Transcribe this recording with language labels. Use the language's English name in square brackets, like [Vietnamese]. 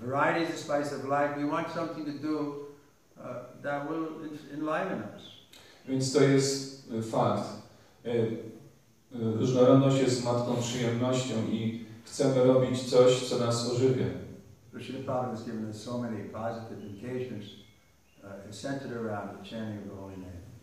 [English] Variety is the spice of life. We want something to do that will enliven us. [Polish] Więc to jest fakt. Różnorodność jest matką przyjemnością i chcemy robić coś, co nas ożywia. [English] Krishna Prabhupada has given us so many positive indications centered around the chanting of the holy name.